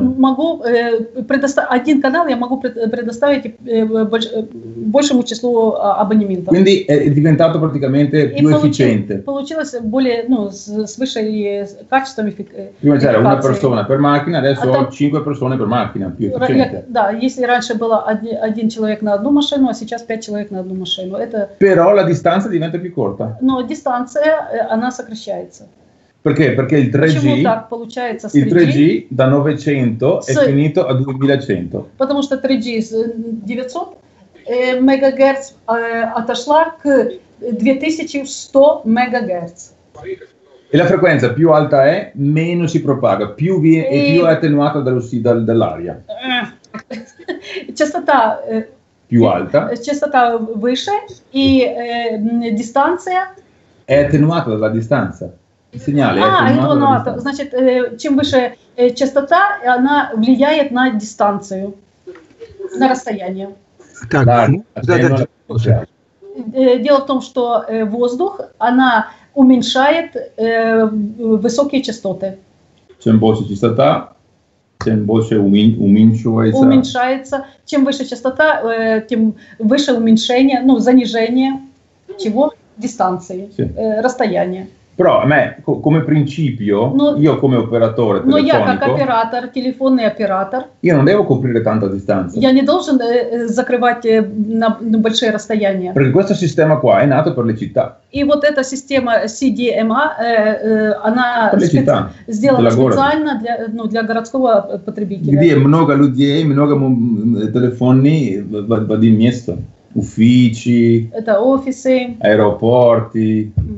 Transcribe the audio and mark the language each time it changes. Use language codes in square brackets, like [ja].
[it] Un canale io posso predostare [ru] большему числу абонементов. [it] Quindi è diventato praticamente [ru] и [it] più efficiente. [ru] С высшей качеством [it] Прима c'era una persona per macchina, adesso ho 5 persone per macchina, più efficiente. [ru] Да, если раньше было один человек на одну машину, а сейчас 5 человек на одну машину. Это... [it] Però la distanza diventa più corta. [ru] Но дистанция, она сокращается. [it] Perché? Perché il 3G, il 3G da 900 è finito a 2100. [ru] Потому что 3G с 900 мегагерц отошла к 2100 мегагерц. [it] E la frequenza più alta è, meno si propaga, più è più attenuata dall'aria. [ru] Частота [it] più alta. [ru] Частота выше и дистанция. È attenuata dalla distanza. Сигнал. Значит, чем выше частота, она влияет на дистанцию, на расстояние. Так, дело в том, что воздух, она уменьшает высокие частоты. Чем больше частота, тем больше уменьшается. Уменьшается. Чем выше частота, тем выше уменьшение, ну, занижение чего? Дистанции, расстояния. [it] Però a me, come principio, io come operatore telefonico, io non devo coprire tanta distanza. [ru] Я не должен закрывать на большие расстояния. [it] Perché questo sistema qua è nato per le città. [ru] И вот эта система CDMA, она сделана специально для, ну, для городского потребителя. Где много людей, много телефонов в один место. [it] Уфичи. [ru] Это офисы. Аэропорты.